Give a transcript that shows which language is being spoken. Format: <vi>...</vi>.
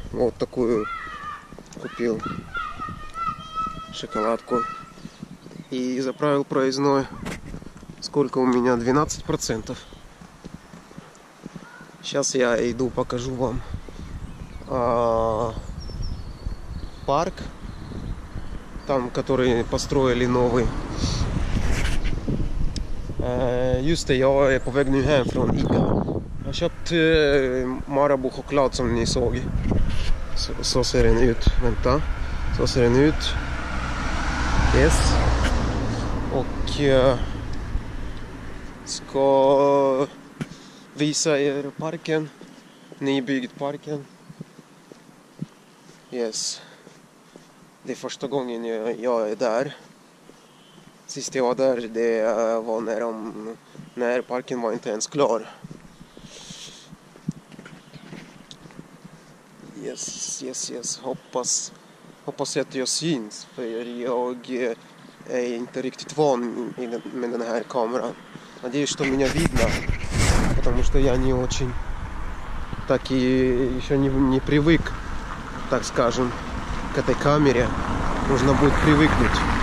<ru>Вот такую купил шоколадку и заправил проездной. Сколько у меня? 12%. Сейчас я иду, покажу вам парк, там, который построили новый.</ru> <sv>Just det, jag är på väg nu hem från Ica. Jag köpte Marabou choklad som ni såg. Så ser den ut. Vänta. Så ser den ut. Yes. Och ska visa er parken. Nybyggd parken. Yes. Det är första gången jag är där. Sist jag var där, det var när parken var inte ens klar. Yes, yes, yes. Hoppas att jag syns. För jag är inte riktigt van med den här kameran.</sv> <ru>Надеюсь, что меня видно. Потому что я не очень так и еще не привык, так скажем, к этой камере. Нужно будет привыкнуть.</ru>